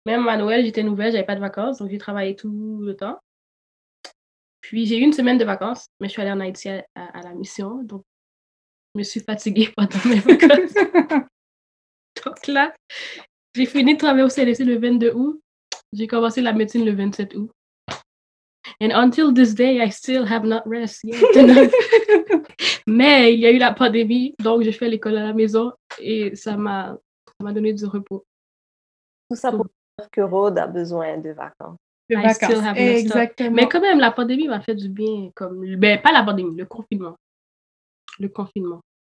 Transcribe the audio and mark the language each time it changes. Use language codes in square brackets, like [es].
[fr] Même à Noël, j'étais nouvelle, j'avais pas de vacances. Donc j'ai travaillé tout le temps. Puis j'ai eu une semaine de vacances, mais je suis allée en Haïti à la mission. Donc je me suis fatiguée pendant mes vacances. Donc là, j'ai fini de travailler au CLSC le 22 août. J'ai commencé la médecine le 27 août. [en] And until this day, I still have not rest yet. [fr] Mais il y a eu la pandémie, donc je fais l'école à la maison et ça m'a donné du repos. Tout ça pour dire que Rhode a besoin de vacances. De vacances, [en] still have [fr] exactement. Mais quand même, la pandémie m'a fait du bien. Mais pas la pandémie, le confinement. Le confinement.